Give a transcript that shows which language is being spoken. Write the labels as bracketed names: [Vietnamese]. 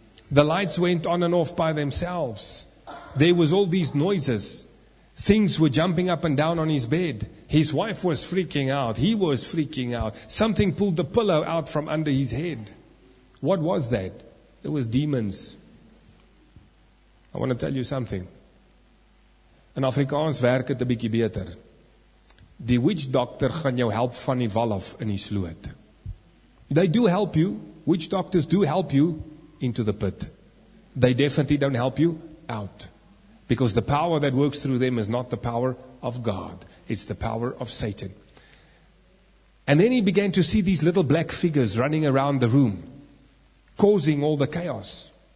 [English] The lights went on and off by themselves. There was all these noises. Things were jumping up and down on his bed. His wife was freaking out. He was freaking out. Something pulled the pillow out from under his head. What was that? It was demons. I want to tell you something. [Afrikaans] In Afrikaans werk het 'n bietjie beter. Die witch doctor gaan jou help van die wal af in die sloot. [English] They do help you. Witch doctors do help you into the pit. They definitely don't help you out. Because the power that works through them is not the power of God. It's the power of Satan. And then he began to see these little black figures running around the room, causing all the chaos.